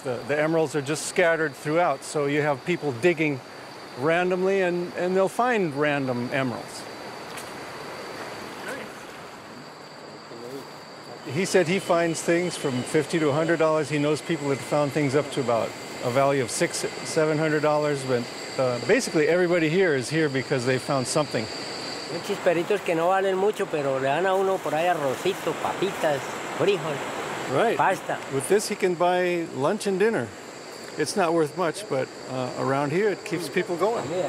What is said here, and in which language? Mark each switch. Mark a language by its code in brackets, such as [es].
[en] The emeralds are just scattered throughout, so you have people digging randomly and they'll find random emeralds. He said he finds things from $50 to $100. He knows people that found things up to about a value of $600, $700. But basically, everybody here is here because they found something. [es] Muchos peritos que no valen mucho, pero le dan a uno por ahí arrocito, papitas, frijol, [en] right. [es] Pasta. [en] With this, he can buy lunch and dinner. It's not worth much, but around here, it keeps people going.